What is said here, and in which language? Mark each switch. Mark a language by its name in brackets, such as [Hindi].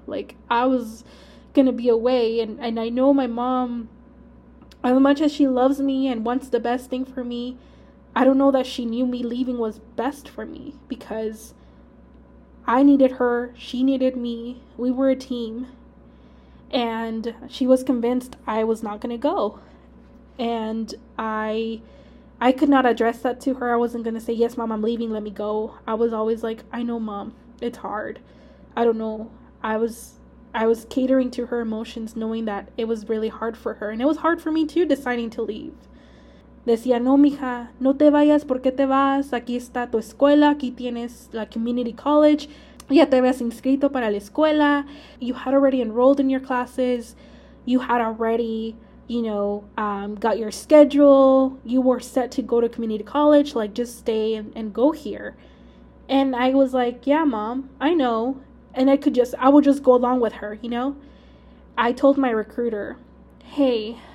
[English] Like, I was going to be away, and I know my mom, as much as she loves me and wants the best thing for me, I don't know that she knew me leaving was best for me, because I needed her, she needed me, we were a team, and she was convinced I was not going to go, and I could not address that to her. I wasn't going to say, "Yes, Mom, I'm leaving, let me go." I was always like, "I know, Mom, it's hard, I don't know." I was catering to her emotions, knowing that it was really hard for her, and it was hard for me too, deciding to leave. [Spanish] Decía, "No, mija, no te vayas, ¿por qué te vas? Aquí está tu escuela, aquí tienes la community college, ya te habías inscrito para la escuela." [English] You had already enrolled in your classes, you had already, you know, got your schedule, you were set to go to community college, like, just stay and go here. And I was like, "Yeah, Mom, I know." And I would just go along with her, you know? I told my recruiter, "Hey,